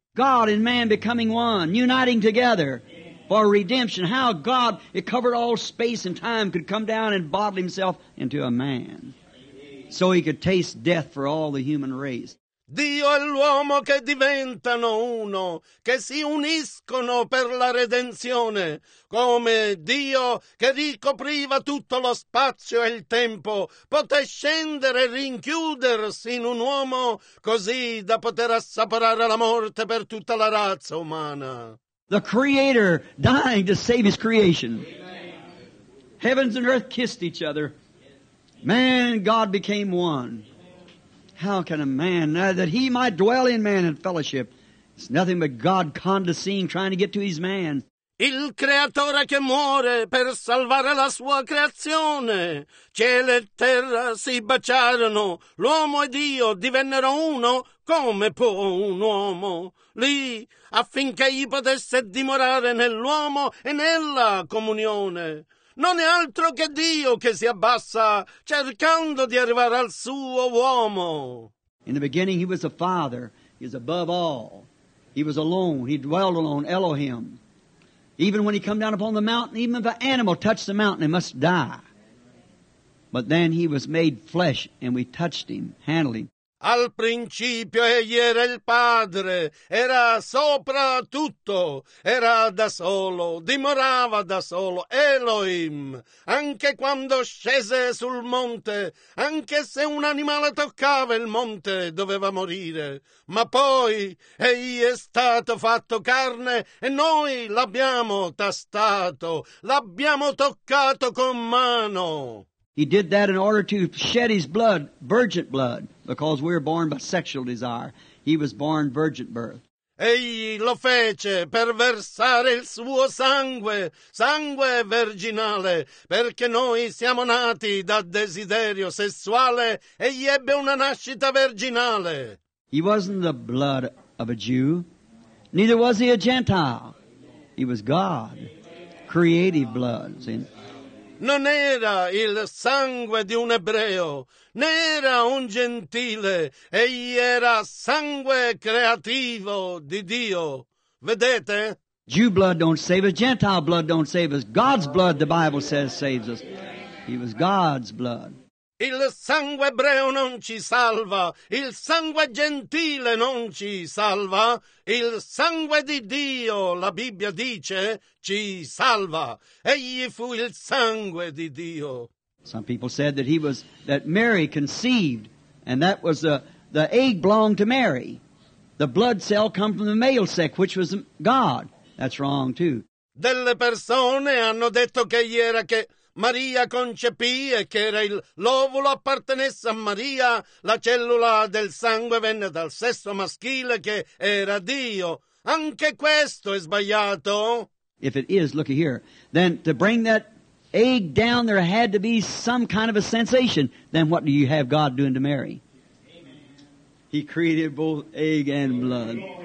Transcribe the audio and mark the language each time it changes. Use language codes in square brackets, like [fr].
[en] God and man becoming one, uniting together for redemption. How God, it covered all space and time, could come down and bottle himself into a man so he could taste death for all the human race. [it] Dio e l'uomo che diventano uno, che si uniscono per la redenzione, come Dio che ricopriva tutto lo spazio e il tempo, poté scendere e rinchiudersi in un uomo così da poter assaporare la morte per tutta la razza umana. [en] The Creator dying to save His creation. Heavens and earth kissed each other. Man, God became one. How can a man, now that he might dwell in man in fellowship, it's nothing but God condescending, trying to get to his man. [it] Il creatore che muore per salvare la sua creazione. Cielo e terra si baciarono. L'uomo e Dio divennero uno. Come può un uomo? Lì, affinché gli potesse dimorare nell'uomo e nella comunione. Non è altro che Dio che si abbassa cercando di arrivare al suo uomo. [en] In the beginning he was a father. He was above all. He was alone. He dwelt alone. Elohim. Even when he come down upon the mountain, even if an animal touched the mountain, it must die. But then he was made flesh and we touched him, handled him. [it] Al principio egli era il Padre, era sopra tutto, era da solo, dimorava da solo, Elohim. Anche quando scese sul monte, anche se un animale toccava il monte, doveva morire. Ma poi egli è stato fatto carne e noi l'abbiamo tastato, l'abbiamo toccato con mano. [en] He did that in order to shed his blood, virgin blood, because we were born by sexual desire. He was born virgin birth. [it] Egli lo fece per versare il suo sangue, sangue virginale, perché noi siamo nati da desiderio sessuale, egli ebbe una nascita virginale. [en] He wasn't the blood of a Jew, neither was he a Gentile. He was God, creative blood, see? [it] Non era il sangue di un ebreo, né era un gentile, egli era sangue creativo di Dio. Vedete? [en] Jew blood don't save us, Gentile blood don't save us. God's blood, the Bible says, saves us. He was God's blood. [it] Il sangue ebreo non ci salva, il sangue gentile non ci salva, il sangue di Dio, la Bibbia dice, ci salva. Egli fu il sangue di Dio. [en] Some people said that that Mary conceived, and that was the egg belonged to Mary. The blood cell come from the male sex, which was God. That's wrong too. [it] Delle persone hanno detto che egli era che Maria concepì e che era l'ovulo appartenesse a Maria, la cellula del sangue venne dal sesso maschile che era Dio. Anche questo è sbagliato. [en] If it is, look here. Then to bring that egg down, there had to be some kind of a sensation. Then what do you have God doing to Mary? Amen. He created both egg and blood.